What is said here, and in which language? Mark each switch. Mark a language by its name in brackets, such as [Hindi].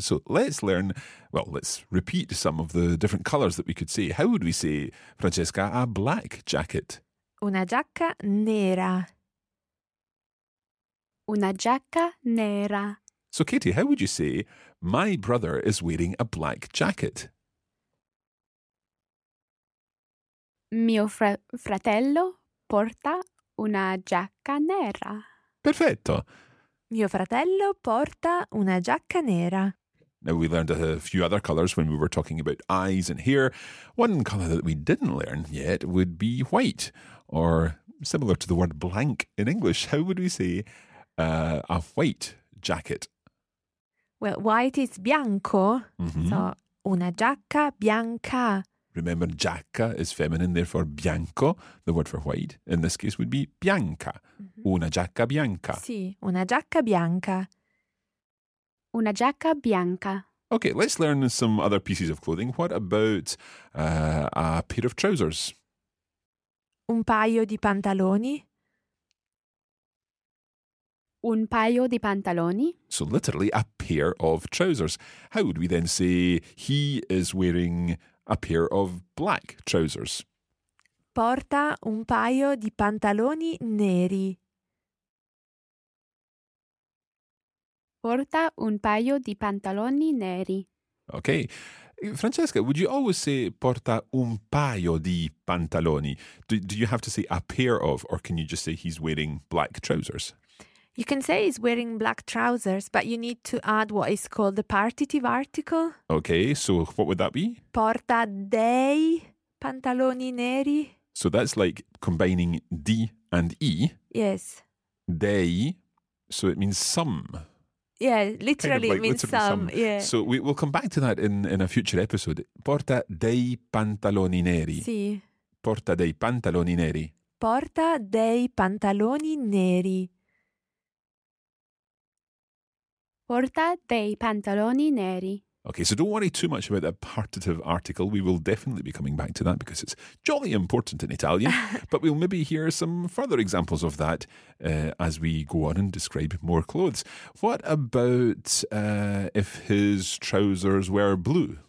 [English] So let's learn, well, let's repeat some of the different colours that we could say. How would we say, Francesca, a black jacket? [Italian] Una giacca nera. Una giacca nera. [English] So, Katie, how would you say, my brother is wearing a black jacket? [Italian] Mio fratello porta una giacca nera. Perfetto. Mio fratello porta una giacca nera. [English] Now, we learned a few other colours when we were talking about eyes and hair. One colour that we didn't learn yet would be white, or similar to the word blank in English. How would we say a white jacket? Well, white is bianco, mm-hmm. [Italian] So una giacca bianca. [English] Remember, giacca is feminine, therefore bianco, the word for white, in this case would be bianca. [Italian] Mm-hmm. Una giacca bianca. Sì, una giacca bianca. Una giacca bianca. [English] Okay, let's learn some other pieces of clothing. What about a pair of trousers? [Italian] Un paio di pantaloni. Un paio di pantaloni. [English] So literally a pair of trousers. How would we then say he is wearing a pair of black trousers? [Italian] Porta un paio di pantaloni neri. Porta un paio di pantaloni neri. [English] Okay. Francesca, would you always say [Italian] porta un paio di pantaloni? [English] Do you have to say a pair of, or can you just say he's wearing black trousers? You can say he's wearing black trousers, but you need to add what is called the partitive article. Okay, so what would that be? [Italian] Porta dei pantaloni neri. [English] So that's like combining D and E. Yes. Dei, so it means some. Yeah, literally kind of like it means literally some. Yeah. So we'll come back to that in a future episode. [Italian] Porta dei pantaloni neri. Sì. Porta dei pantaloni neri. Porta dei pantaloni neri. Porta dei pantaloni neri. [English] Okay, so don't worry too much about that partitive article. We will definitely be coming back to that because it's jolly important in Italian. But we'll maybe hear some further examples of that as we go on and describe more clothes. What about if his trousers were blue?